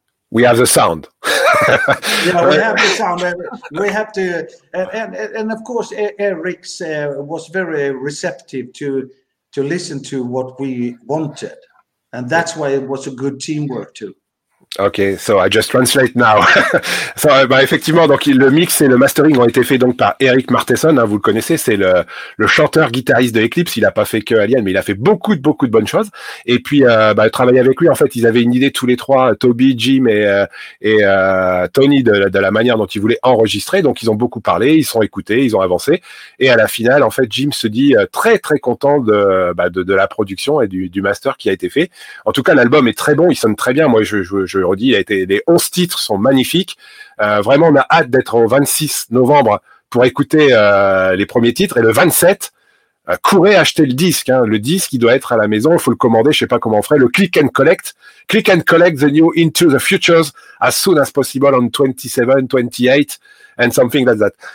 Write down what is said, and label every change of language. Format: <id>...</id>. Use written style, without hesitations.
<en>We have the sound. Yeah, we have the sound. We have to, and of course, Eric was very receptive to listen to what we wanted, and that's why it was a good teamwork too. Okay, so I just translate now.</en> <fr>So, effectivement, donc le mix et le mastering ont été faits donc par Eric Martesson, hein, vous le connaissez, c'est le chanteur guitariste de Eclipse. Il a pas fait que Alien, mais il a fait beaucoup de bonnes choses. Et puis travailler avec lui, en fait, ils avaient une idée tous les trois, Toby, Jim et Tony, de la manière dont ils voulaient enregistrer. Donc ils ont beaucoup parlé, ils sont écoutés, ils ont avancé. Et à la finale, en fait, Jim se dit très très content de la production et du master qui a été fait. En tout cas, l'album est très bon, il sonne très bien. Moi, je redis, les 11 titres sont magnifiques. Vraiment, on a hâte d'être au 26 novembre pour écouter les premiers titres. Et le 27, courez acheter le disque. Hein. Le disque, il doit être à la maison. Il faut le commander. Je ne sais pas comment on ferait. Le Click and Collect.</fr> <en>Click and Collect the new Into the Futures as soon as possible on 27, 28 and something like that.</en>